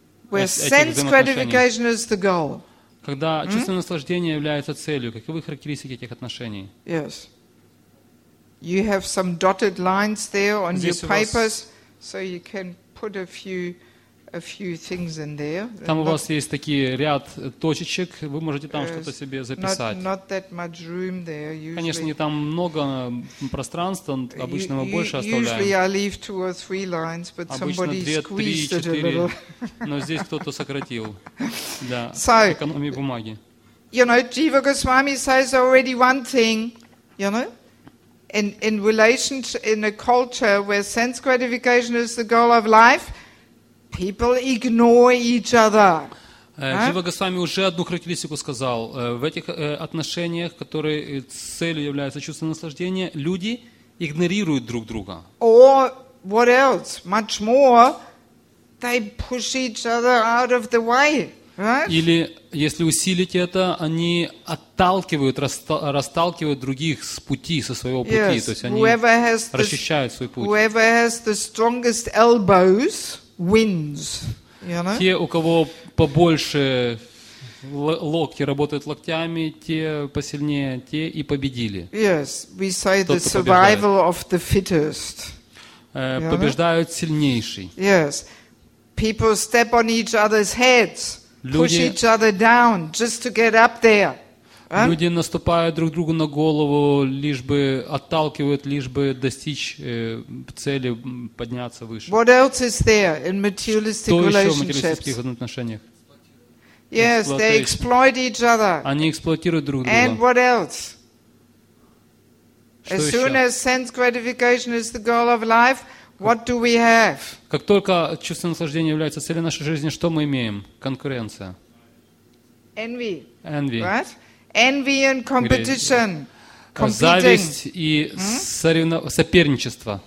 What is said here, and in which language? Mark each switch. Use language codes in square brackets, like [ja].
[en] Where sense gratification is the goal. [ru] Когда чувство наслаждения является целью, каковы характеристики этих отношений? [en] Yes. You have some dotted lines there on your papers, so you can put a few things in there. [ru] Там у вас есть такие ряд точечек, вы можете там что-то себе записать. [en] Not that much room there. Usually. [ru] Конечно, не там много пространства, обычно мы больше оставляем. [en] Usually I leave two or three lines, but somebody squeezed it a little. [ru] Но здесь кто-то сократил для экономии бумаги. [en] You know, Jiva Goswami says already one thing, you know, in relation in a culture where sense gratification is the goal of life. People ignore each other. [ru] Джива Госвами уже одну характеристику сказал. В этих отношениях, которые целью является чувство наслаждения, люди игнорируют друг друга. [en] Or what else? Much more, they push each other out of the way, right? [ru] Или если усилить это, они отталкивают, расталкивают других с пути, со своего пути, [en] yes. [ru] То есть они расчищают свой путь. [en] Whoever has the strongest elbows wins, you know? [ru] Те, у кого побольше локти работают локтями, те посильнее, те и победили. [en] Yes, we say the survival of the fittest. [ru] Побеждают сильнейший. [en] Yes, people step on each other's heads, push each other down just to get up there. [ru] Люди наступают друг другу на голову, лишь бы отталкивают, лишь бы достичь цели, подняться выше. [en] What else is there in materialistic relationships? Yes, they exploit each other. [ru] Они эксплуатируют друг друга. [en] And what else? [ru] Что [en] as soon [ru] еще? [en] As sense gratification is the goal of life, what do we have? [ru] Как только чувственное наслаждение является целью нашей жизни, что мы имеем? Конкуренция. [en] Envy. Envy. What? Envy and competition. Competing. [ru] Зависть и соперничество.